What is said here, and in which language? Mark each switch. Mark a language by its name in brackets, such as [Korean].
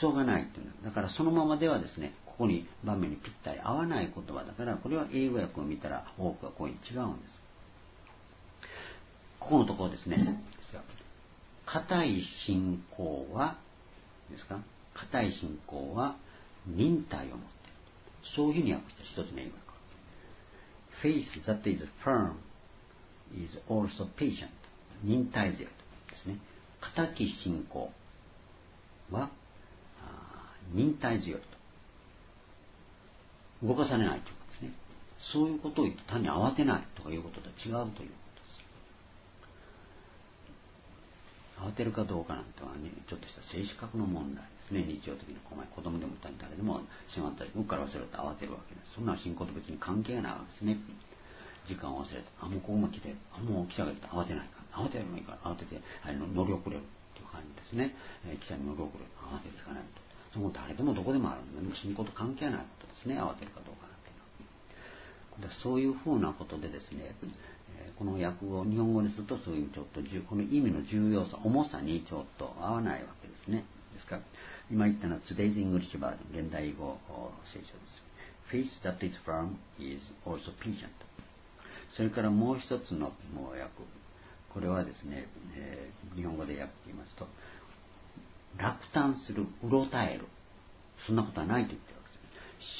[Japanese] 急がないっていうのは、だからそのままではですね、ここに場面にぴったり合わない言葉だから、これは英語訳を見たら多くはこういうふうに違うんです。ここのところですね、固い信仰は、ですか、固い信仰は忍耐を持っている。そういうふうに訳した一つの意味は。 [English] Faith that is firm is also patient. [Japanese] 忍耐強いですね。固き信仰は忍耐強いと。動かされないということですね。そういうことを言って単に慌てないとかいうこととは違うということ。慌てるかどうかなんてのは、ね、ちょっとした性資格の問題ですね。日常的に子供でも誰でもしまったり、うっかり忘れて慌てるわけです。そんな信仰と別に関係がないわけですね。時間を忘れて、あ、もうここも来て、あ、もう汽車が来て、慌てないか、慌てればいいから、慌てて、あの乗り遅れるという感じですね。汽車に乗り遅れる、慌てていかないと。そこ誰でもどこでもあるんで、でも信仰と関係ないことですね、慌てるかどうかなんていうのは。で、そういうふうなことでですね、この訳を日本語にするとそういうちょっとこの意味の重要さ、重さにちょっと合わないわけですね。ですから、今言ったのは Today's English Bible、現代英語聖書です。 [English] Faith that is firm is also patient。 [Japanese] それからもう一つの訳、これはですね、日本語で訳って言いますと、落胆する、うろたえる、そんなことはないと言ってるわけです。